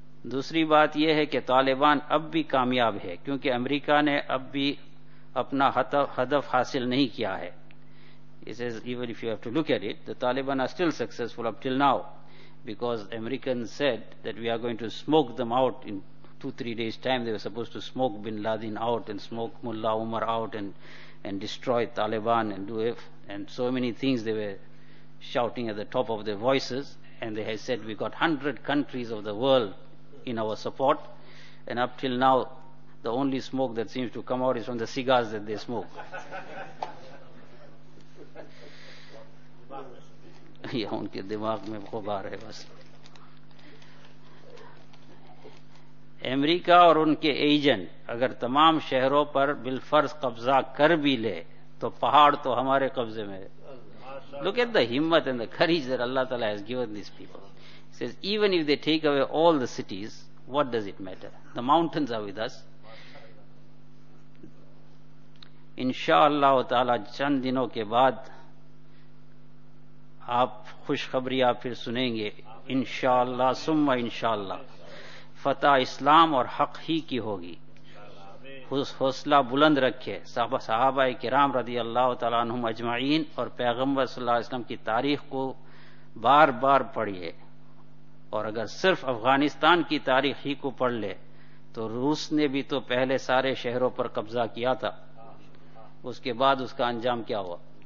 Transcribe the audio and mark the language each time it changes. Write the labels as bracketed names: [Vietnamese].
[Urdu] دوسری بات یہ ہے کہ طالبان اب بھی کامیاب ہے, کیونکہ امریکہ نے اب بھی اپنا ہدف حاصل نہیں کیا ہے. [English] He says, even if you have to look at it, the Taliban are still successful up till now, because Americans said that we are going to smoke them out in 2-3 days time. They were supposed to smoke Bin Laden out and smoke Mullah Umar out and destroy Taliban and do it, and so many things they were shouting at the top of their voices, and they have said, we got 100 countries of the world in our support, and up till now the only smoke that seems to come out is from the cigars that they smoke. [Urdu] یہ ان کے دماغ میں غبار ہے بس. امریکہ اور ان کے agent اگر تمام شہروں پر بالفرض قبضہ کر بھی لے تو پہاڑ تو ہمارے قبضے میں ہے. [English] Look at the himmat and the courage that Allah Ta'ala has given these people. He says, even if they take away all the cities, what does it matter? The mountains are with us. [Urdu] انشاءاللہ تعالی چند دنوں کے بعد آپ خوشخبری آپ پھر سنیں گے انشاءاللہ, ثم انشاءاللہ فتح اسلام اور حق ہی کی ہوگی. حوصلہ بلند رکھے. صحابہ کرام رضی اللہ تعالی عنہم اجمعین اور پیغمبر صلی اللہ علیہ وسلم کی تاریخ کو بار بار پڑھیے, اور اگر صرف افغانستان کی تاریخ ہی کو پڑھ لے تو روس نے بھی تو پہلے سارے شہروں پر قبضہ کیا تھا, اس کے بعد اس کا انجام کیا ہوا.